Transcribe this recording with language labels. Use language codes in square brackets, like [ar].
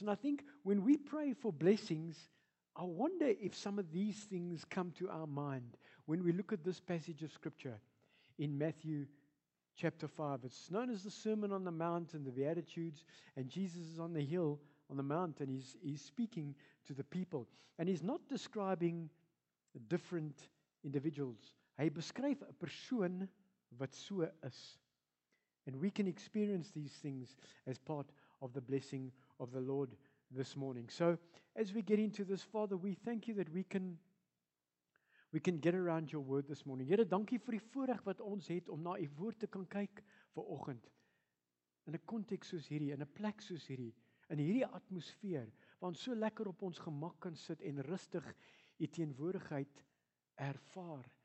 [en] And I think when we pray for blessings, I wonder if some of these things come to our mind when we look at this passage of Scripture in Matthew chapter 5. It's known as the Sermon on the Mount and the Beatitudes. And Jesus is on the hill, on the mount, and he's speaking to the people. And he's not describing different individuals. [af] Hy beskryf 'n persoon wat so is. [en] And we can experience these things as part of the blessing of the Lord this morning. So as we get into this, Father, we thank you that we can get around your word this morning. [af] Here, dankie vir die voorreg wat ons het om na u woord te kan kyk vanoggend. In 'n konteks soos hierdie, in 'n plek soos hierdie, in hierdie atmosfeer, waar ons so lekker op ons gemak kan sit en rustig u teenwoordigheid ervaar.